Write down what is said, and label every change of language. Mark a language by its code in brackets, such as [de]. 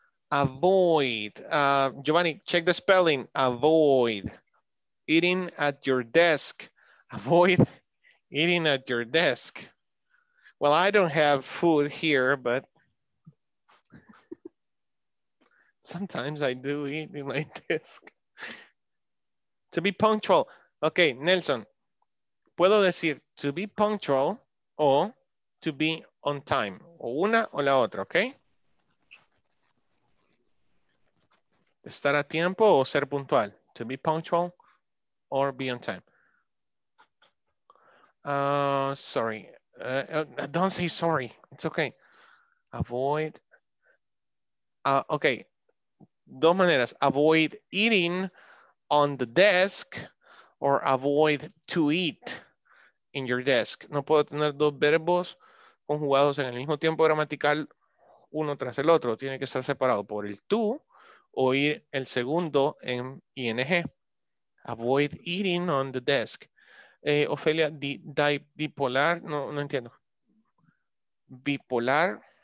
[en] Avoid. Giovanni, check the spelling. Avoid eating at your desk. Avoid eating at your desk. Well, I don't have food here, but sometimes I do eat in my desk. To be punctual. Okay, Nelson. [es] Puedo decir [en] to be punctual [es] o [en] to be on time, [es] o una o la otra, ¿ok? Estar a tiempo o ser puntual, [en] to be punctual or be on time. Sorry, don't say sorry, it's okay. Avoid, okay, [es] dos maneras, [en] avoid eating on the desk or avoid to eat in your desk. [es] No puedo tener dos verbos conjugados en el mismo tiempo gramatical uno tras el otro. Tiene que estar separado por el to o ir el segundo en ing. [en] Avoid eating on the desk. Ofelia, bipolar, [es] no entiendo. [en] Bipolar.